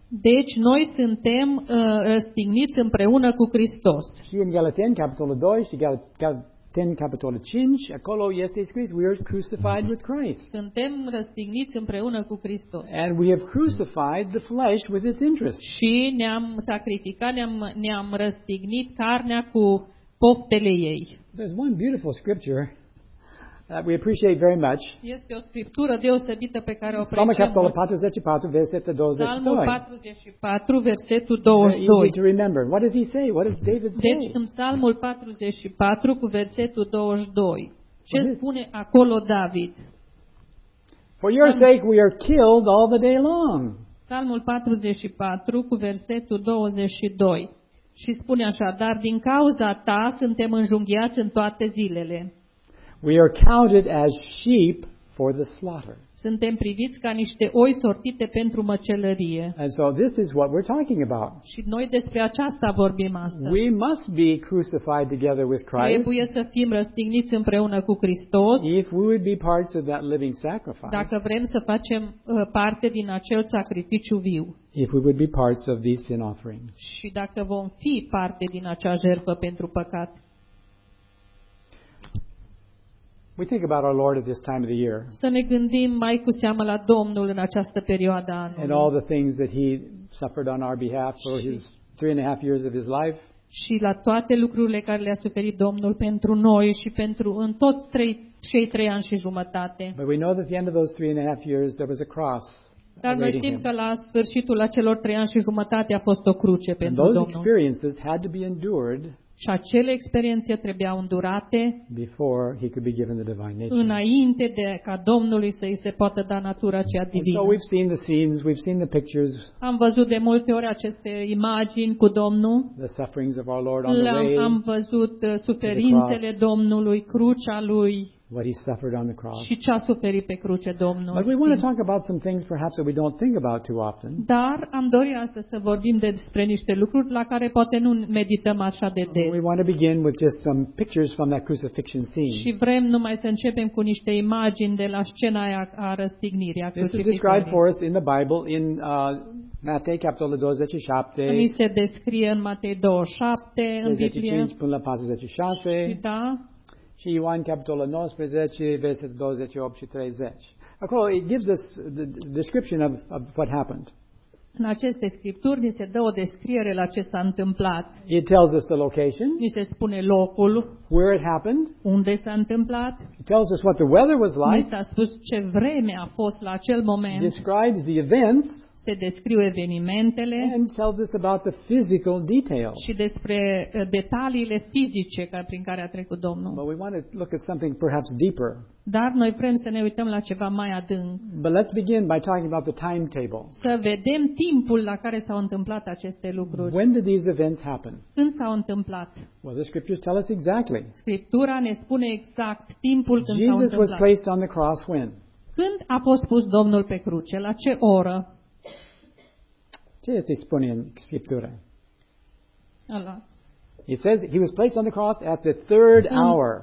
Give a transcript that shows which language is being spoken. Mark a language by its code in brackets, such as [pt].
[ro] Deci noi suntem răstigniți împreună cu Hristos. Și în Galateni capitolul 2 și Galateni capitolul 5, acolo este scris, [en] we are crucified with Christ. [ro] Suntem răstigniți împreună cu Hristos. [en] And we have crucified the flesh with its interests. [ro] Și ne-am sacrificat, ne-am răstignit carnea cu poftele ei. [en] There's one beautiful scripture that we appreciate very much. [ro] Este o scriptură deosebită pe care o apreciem. Psalmul 44, versetul 22. Psalmul 44, versetul 22. [en] To remember. What does he say? What does David say? [ro] Deci în Psalmul 44 cu versetul 22. Ce spune acolo David? [en] For your sake we are killed all the day long. [ro] Psalmul 44 cu versetul 22. Și spune așa: dar din cauza ta suntem înjunghiați în toate zilele. [en] We are counted as sheep for the slaughter. [ro] Suntem priviți ca niște oi sortite pentru măcelărie. [en] And so this is what we're talking about. [ro] Și noi despre aceasta vorbim astăzi. [en] We must be crucified together with Christ. [ro] Trebuie să fim răstigniți împreună cu Hristos. [en] If we would be parts of that living sacrifice. [ro] Dacă vrem să facem parte din acel sacrificiu viu. [en] If we would be parts of these sin offerings. [ro] Și dacă vom fi parte din acea jertfă pentru păcat. [en] We think about our Lord at this time of the year. [ro] Să ne gândim mai cu seamă la Domnul în această perioadă anului. [en] And all the things that he suffered on our behalf for his 3.5 years of his life. [ro] Și la toate lucrurile care le-a suferit Domnul pentru noi și pentru în toți cei trei ani și jumătate. [en] But we know that at the end of those 3.5 years there was a cross. [ro] Dar noi știm că la sfârșitul acelor 3 ani și jumătate a fost o cruce pentru Domnul. [en] And those experiences had to be endured. [ro] Și acele experiențe trebuiau îndurate [en] before he could be given the divine nature. [ro] Înainte de ca Domnului să îi se poată da natura cea divină. [en] And so we've seen the scenes, we've seen the pictures. [ro] Am văzut de multe ori aceste imagini cu Domnul. [en] The sufferings of our Lord on the way. [ro] Am văzut suferințele Domnului, crucea lui. [en] What he suffered on the cross. [ro] Și ce a suferit pe cruce Domnul. [en] But we want to talk about some things perhaps that we don't think about too often. [ro] Dar am dori astăzi să vorbim despre niște lucruri la care poate nu medităm așa de des. [en] We want to begin with just some pictures from that crucifixion scene. [ro] Și vrem numai să începem cu niște imagini de la scena aia a răstignirii, a crucifixionii. [en] This is described for us in the Bible in Matei capitolul 27. [ro] Mi se descrie în Matei 27 în Biblie. 25-46. Și da. Și Ioan capitolul 19, versetul 28 și 30. Acolo [en] it gives us the description of what happened. [ro] În aceste scripturi ni se dă o descriere la ce s-a întâmplat. [en] It tells us the location. [ro] Ni se spune locul. [en] Where it happened. [ro] Unde s-a întâmplat. [en] It tells us what the weather was like. [ro] Ni s-a spus ce vreme a fost la acel moment. [en] It describes the events. [ro] Se descriu evenimentele. [en] And tells us about the physical details. [ro] Și despre detaliile fizice prin care a trecut Domnul. [en] But we want to look at something perhaps deeper. [ro] Dar noi vrem să ne uităm la ceva mai adânc. [en] But let's begin by talking about the timetable. [ro] Să vedem timpul la care s-au întâmplat aceste lucruri. [en] When did these events happen? [ro] Când s-au întâmplat? [en] Well, the scriptures tell us exactly. [ro] Scriptura ne spune exact timpul când s-au întâmplat. [en] Jesus was placed on the cross when? [ro] Când a fost pus Domnul pe cruce? La ce oră? Ce este spune în Scriptură? Ala. [en] It says he was placed on the cross at the third hour.